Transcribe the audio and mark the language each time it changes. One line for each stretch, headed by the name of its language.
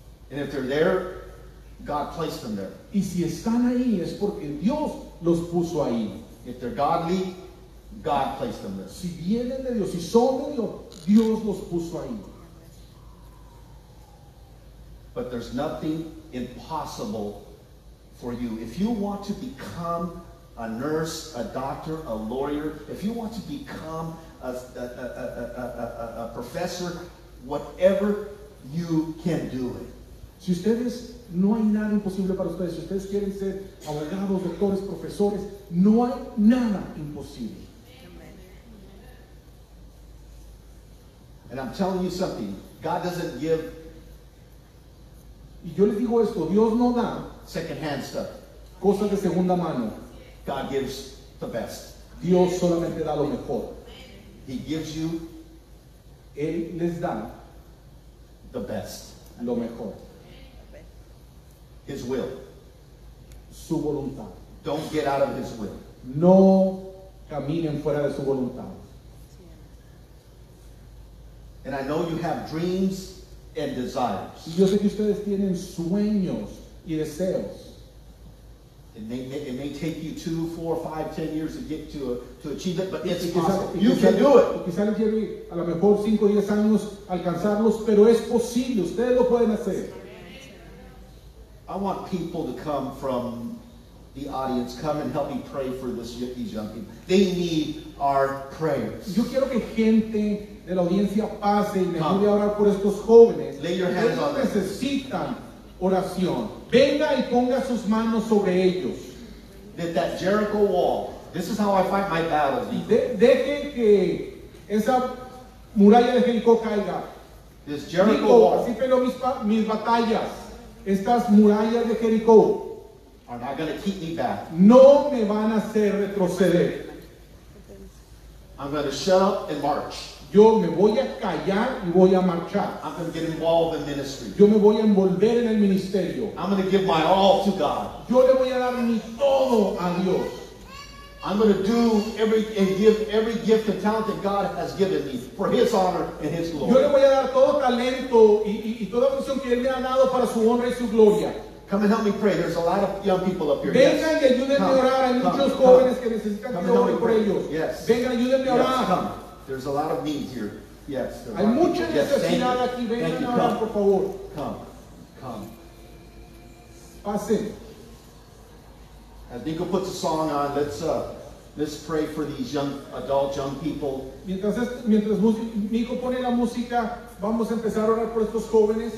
English: And if they're there, God placed them there.
Spanish: Y si están ahí, es porque Dios los puso ahí.
English: If they're godly, God placed them there.
Spanish: Si vienen de Dios, si son de Dios, Dios los puso ahí.
English: But there's nothing impossible for you. If you want to become a nurse, a doctor, a lawyer, if you want to become a professor, whatever, you can do it.
Spanish: Si ustedes, no hay nada imposible para ustedes. Si ustedes quieren ser abogados, doctores, profesores, no hay nada imposible.
English: Amen. And I'm telling you something. God doesn't give.
Spanish: Y yo les digo esto. Dios no da
English: secondhand stuff.
Spanish: Cosas de segunda mano.
English: God gives the best.
Spanish: Dios solamente da lo mejor.
English: He gives you.
Spanish: Él les da
English: the best.
Spanish: Lo mejor.
English: His will.
Spanish: Su voluntad.
English: Don't get out of his will.
Spanish: No caminen fuera de su voluntad.
English: And I know you have dreams and desires.
Spanish: Y yo sé que ustedes tienen sueños y deseos.
English: It may take you 2, 4, 5, 10 years to get to achieve it, but it's possible. You can do it.
Spanish: Quizá les lleve a lo mejor 5, 10 años alcanzarlos, pero es posible. Ustedes lo pueden hacer.
English: I want people to come from the audience, come and help me pray for these young people. They need our prayers.
Spanish: Yo quiero que gente de la audiencia pase y me ayude a orar por estos jóvenes.
English: Lay your hands on them.
Spanish: Necesitan oración. Venga y ponga sus manos sobre ellos.
English: That Jericho wall. This is how I fight my battles.
Spanish: Deje que esa muralla de Jericó caiga.
English: This Jericho wall.
Spanish: Así peleo mis batallas. Estas murallas de Jericó
English: are not going to keep me back.
Spanish: No me van a hacer retroceder.
English: I'm going to shut up and march.
Spanish: Yo me voy a callar y voy a marchar.
English: I'm going to get involved in ministry.
Spanish: Yo me voy a envolver en el ministerio.
English: I'm going to give my all to God.
Spanish: Yo le voy a dar mi todo a Dios.
English: I'm going to do give every gift and talent that God has given me for His honor and His glory.
Spanish: Yo le voy a dar todo talento y toda función que Él me ha dado para su honra y su gloria.
English: Come and help me pray. There's a lot of young people up here.
Spanish: Venga,
English: yes.
Spanish: Y ayúdenme a orar. Hay muchos jóvenes que necesitan que oren por ellos.
English: Yes.
Spanish: Venga, ayúdenme a orar.
English: Come. There's a lot of needs here. Yes.
Spanish: Hay mucha necesidad aquí. Vengan a orar, por favor.
English: Come.
Spanish: Pasen.
English: As Nico puts a song on, let's pray for these young people.
Spanish: Mientras Nico pone la música, vamos a empezar a orar por estos jóvenes.